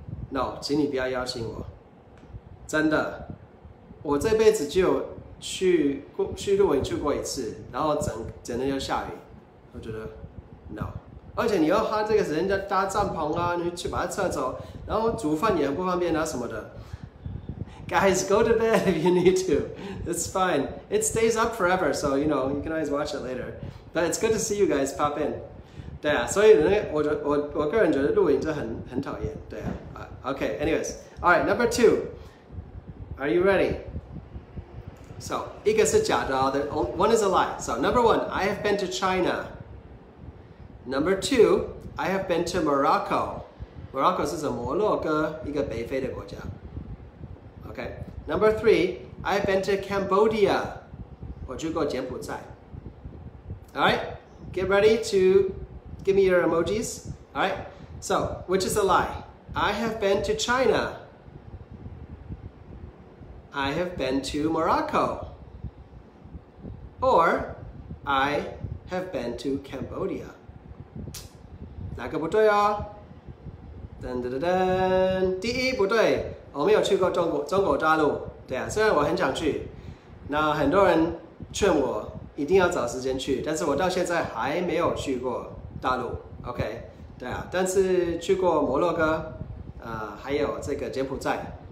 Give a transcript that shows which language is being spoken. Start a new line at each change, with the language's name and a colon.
Chinese: No, 请你不要邀请我。真的，我这辈子就。去露营去过一次，然后整天就下雨，我觉得 no， 而且你要花这个时间在搭帐篷啊，你去把它撤走，然后煮饭也很不方便啊什么的。
English: Guys, go to bed if you need to. It's fine. It stays up forever, so you know you can always watch it later. But it's good to see you guys pop in.
Chinese: 对啊，所以我个人觉得露营就很讨厌。对啊
English: ，Okay, anyways, all right, number two. Are you ready? So,
Chinese: 一个是假的
English: ，the one is a lie. So, number one, I have been to China. Number two, I have been to Morocco. Morocco
Chinese: 是什么？摩洛哥，一个北非的国家。
English: Okay. Number three, I have been to Cambodia.
Chinese: 我去过柬埔寨。
English: All right, get ready to give me your emojis. All right. So, which is a lie? I have been to China. I have been to Morocco, or I have been to Cambodia.
Chinese: 哪个不对哦？噔噔噔噔，第一不对，我没有去过中国大陆。对啊，虽然我很想去，那很多人劝我一定要找时间去，但是我到现在还没有去过大陆。 OK， 对啊，但是去过摩洛哥，还有这个柬埔寨。